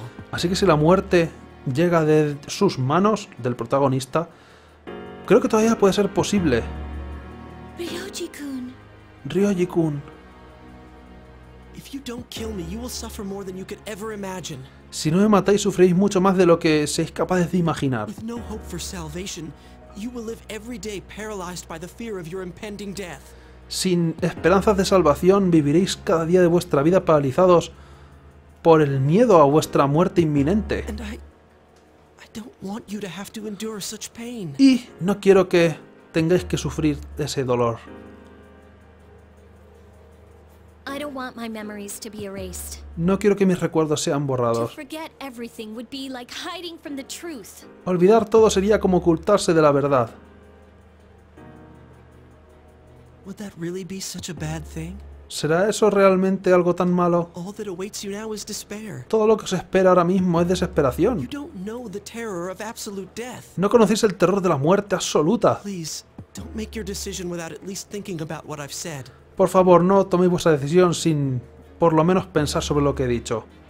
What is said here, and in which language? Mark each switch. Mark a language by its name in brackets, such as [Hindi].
[Spanish] Así que si la muerte llega de sus manos, del protagonista, creo que todavía puede ser posible. [Japanese] Ryoji-kun. Ryoji-kun. [English] If you don't kill me, you will suffer more than you could ever imagine. [Spanish] Si no me matáis, sufriréis mucho más de lo que seáis capaces de imaginar. [English] With no hope for salvation, you will live every day paralyzed by the fear of your impending death. [Spanish] Sin esperanzas de salvación, viviréis cada día de vuestra vida paralizados por el miedo a vuestra muerte inminente. [English] And I don't want you to have to endure such pain. [Spanish] Y no quiero que tengáis que sufrir ese dolor. [English] I don't want my memories to be erased. [Spanish] No quiero que mis recuerdos sean borrados. [English] To forget everything would be like hiding from the truth. [Spanish] Olvidar todo sería como ocultarse de la verdad. [English] Would that really be such a bad thing? [Spanish] ¿Será eso realmente algo tan malo? [English] All that awaits you now is despair. [Spanish] Todo lo que os espera ahora mismo es desesperación. [English] You don't know the terror of absolute death. [Spanish] No conocéis el terror de la muerte absoluta. [English] Please, don't make your decision without at least thinking about what I've said. [Spanish] Por favor, no toméis vuestra decisión sin, por lo menos, pensar sobre lo que he dicho.